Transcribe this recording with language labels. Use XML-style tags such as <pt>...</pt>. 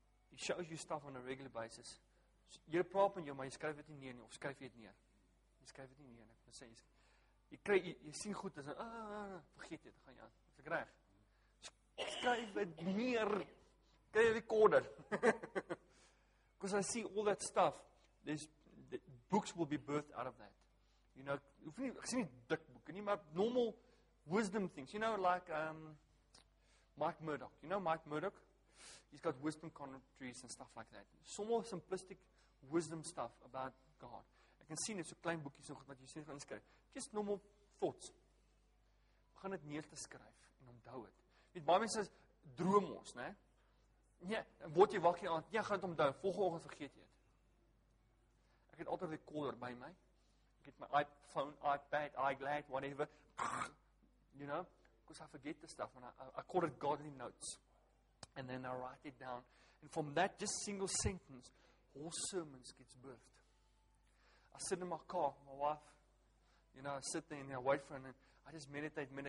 <en>He shows you stuff on a regular basis.</en> <af>Jy praat met jou, maar jy skryf dit nie neer nie, of skryf jy dit neer. Jy skryf dit nie neer, ek moet sê, jy sien goed, en sê, vergeet dit, gaan jy aan, is ek reg? Skryf dit neer, kry die recorder.</af> <en>Because I see all that stuff, the books will be birthed out of that. You know,</en> <af>hoef nie, ek sê nie dik boeken nie, maar</af> <en>normal wisdom things. You know, like Mike Murdoch. You know Mike Murdoch? He's got wisdom commentaries and stuff like that. So more simplistic wisdom stuff about God. I can see it's a</en> <af>klein boekie so goed wat jy sien gaan skryf.</af> <en>Just normal thoughts.</en> <af>Begin dit neer te skryf en onthou dit. Net baie mense droom ons, né? Nee, word jy wakker aan, jy gaan dit onthou, volgende oggend vergeet jy dit. Ek het altyd 'n recorder by my. Ek het my iPhone, iPad, iGlad, whatever.</af> <en>You know, because I forget the stuff and I call it godly notes. And then I write it down. And from that just single sentence, whole sermons gets birthed. I sit in my car, my wife, you know, I sit there and I wait for her and I just meditate.</en>